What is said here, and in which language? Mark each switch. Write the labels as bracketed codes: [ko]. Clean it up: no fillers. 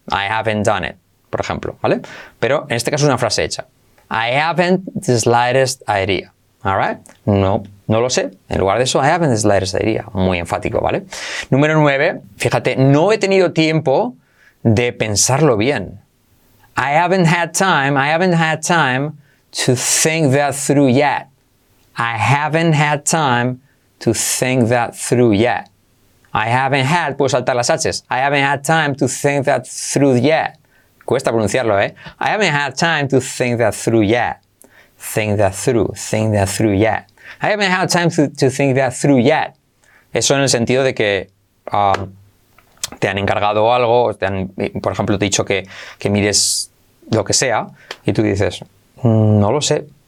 [en] I haven't done it, [es] por ejemplo, ¿vale? Pero en este caso es una frase hecha. [en] I haven't the slightest idea. All right? [es] No lo sé. En lugar de eso, [en] I haven't the slightest idea. [es] Muy enfático, ¿vale? Número 9. Fíjate, no he tenido tiempo de pensarlo bien. [en] I haven't had time to think that through yet. I haven't had time to think that through yet. I haven't had, [es] puedo saltar las H's. [en] I haven't had time to think that through yet. [es] Cuesta pronunciarlo, ¿eh? [en] I haven't had time to think that through yet. Think that through yet. I haven't had time to think that through yet. [es] Eso en el sentido de que te han encargado algo, te han, por ejemplo, te he dicho que mires lo que sea y tú dices, no lo sé.